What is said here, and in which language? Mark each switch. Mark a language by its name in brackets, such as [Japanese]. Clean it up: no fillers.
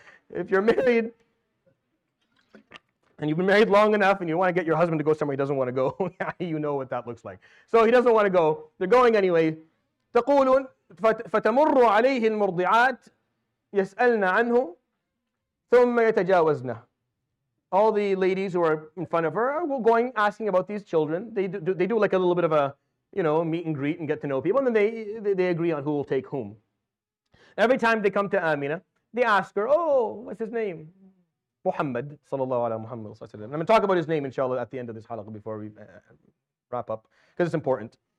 [English] If you're married and you've been married long enough and you want to get your husband to go somewhere he doesn't want to go, you know what that looks like. So he doesn't want to go. They're going anyway. [Arabic] تقولون فتمر عليه المرضعات يسألنا عنه ثم يتجاوزنا. [English] All the ladies who are in front of her are going, asking about these children. They do like a little bit of a, you know, meet and greet and get to know people, and then they agree on who will take whom. Every time they come to Amina, they ask her, oh, what's his name? Muhammad, sallallahu alaihi Muhammad, sallallahu alaihi. And I'm going to talk about his name, inshallah, at the end of this halaqah before we wrap up, because it's important.